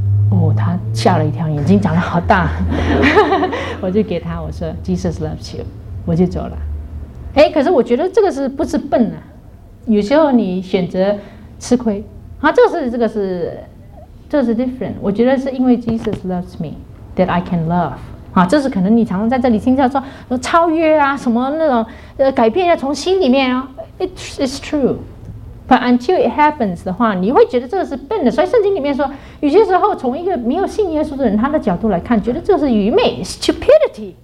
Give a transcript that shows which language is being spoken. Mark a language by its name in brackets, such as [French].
[Chinese] 哦，他吓了一跳，眼睛长得好大。我就给他，我说 [English] Jesus loves you， [Chinese] 我就走了。哎，可是我觉得这个是不是笨啊，有时候你选择吃亏啊，这是 different。我觉得是因为 [English] Jesus loves me that I can love。 [Chinese] 啊，这是可能你常常在这里听到说超越啊什么那种改变要从心里面啊。 [English] It's true, but until it happens [Chinese] 的话，你会觉得这是笨的。所以圣经里面说，有些时候从一个没有信耶稣的人他的角度来看，觉得这是愚昧 ，stupidity。